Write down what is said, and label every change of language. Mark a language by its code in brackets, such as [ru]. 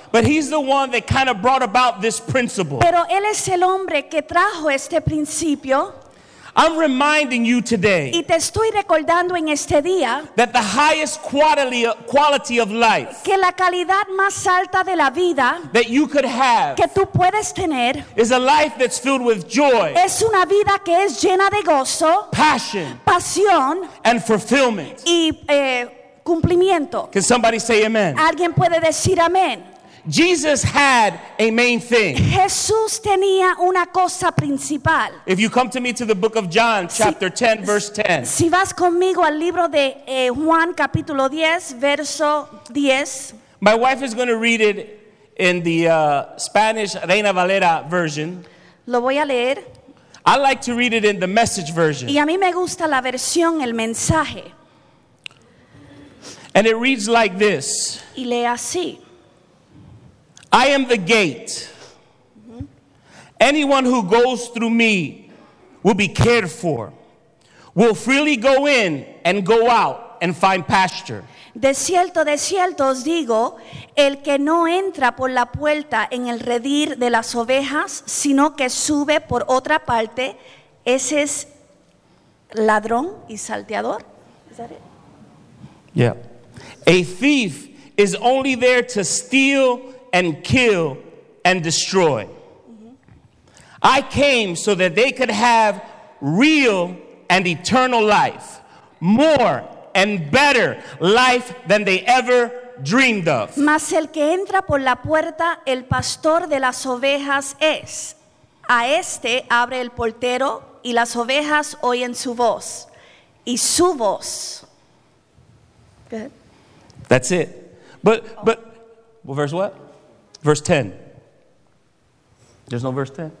[en] But he's the one that kind of brought about this principle. [es] Pero él es el hombre que trajo este principio. [en] I'm reminding you today. [es] Y te estoy recordando en este día. [en] That the highest quality of life. [es] Que la calidad más alta de la vida. [en] That you could have. [es] Que tú puedes tener. [en] Is a life that's filled with joy. [es] Es una vida que es llena de gozo. [en] Passion. [es] Pasión. [en] And fulfillment. [es] Y cumplimiento. [en] Can somebody say amen? [es] Alguien puede decir amén. [en] Jesus had a main thing. [es] Jesús tenía una cosa principal. [en] If you come to me to the book of John, chapter 10, verse 10. [es] Si vas conmigo al libro de Juan, capítulo 10, verso 10. [en] My wife is going to read it in the Spanish Reina Valera version. [es] Lo voy a leer. [en] I like to read it in the Message version. [es] Y a mí me gusta la versión, el mensaje. [en] And it reads like this. [es] Y lee así. [en] I am the gate. Anyone who goes through me will be cared for, will freely go in and go out and find pasture. [es] De cierto os digo, el que no entra por la puerta en el redil de las ovejas, sino que sube por otra parte, ese es ladrón y salteador. [en] Is that it? Yeah. A thief is only there to steal and kill and destroy. I came so that they could have real and eternal life, more and better life than they ever dreamed of. [es] Mas el que entra por la puerta, el pastor de las ovejas es. A este abre el portero y las ovejas oyen su voz. Y su voz. Good. [en] That's it. But verse what? Verse 10. There's no verse 10.